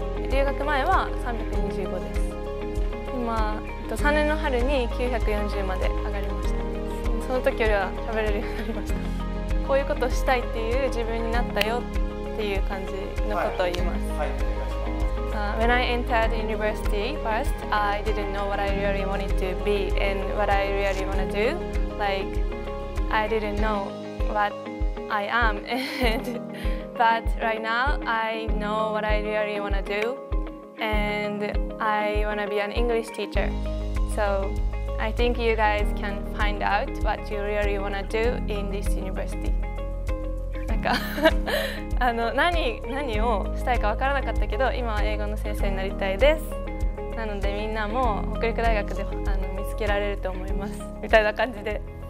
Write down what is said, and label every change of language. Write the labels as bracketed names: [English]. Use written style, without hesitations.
[Japanese] 留学前は325です。今3年の春に940まで上がりました。その時よりは喋れるようになりました。こういうことをしたいっていう自分になったよっていう感じのことを言います。はい、はい、お願い [English] When I entered university first, I didn't know what I really wanted to be and what I really want to do. Like, I didn't know what I am. But right now, I know what I really want to do. And I want to be an English teacher. So,I think you guys can find out what you really want to do in this university. [Japanese] なんか何をしたいか分からなかったけど、今は英語の先生になりたいです。なのでみんなも北陸大学で見つけられると思います。みたいな感じで。